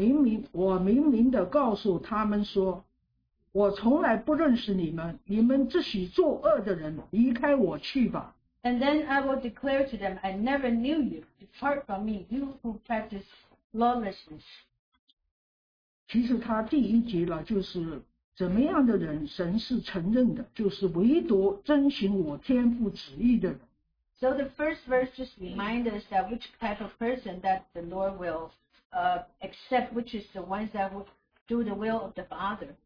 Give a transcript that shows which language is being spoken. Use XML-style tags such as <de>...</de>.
<zh>23节他就明明我明明地告诉他们说, 我从来不认识你们, 你们这许作恶的人, 离开我去吧。</zh> <en>And then I will declare to them, I never knew you. Depart from me, you who practice lawlessness.</en> <zh>其实他第一节了就是怎么样的人, 神是承认的, 就是唯独遵循我天父旨意的人。</zh> <en>So the first verse just reminds us that which type of person that the Lord will accept, which is the ones that will do the will of the Father.</en>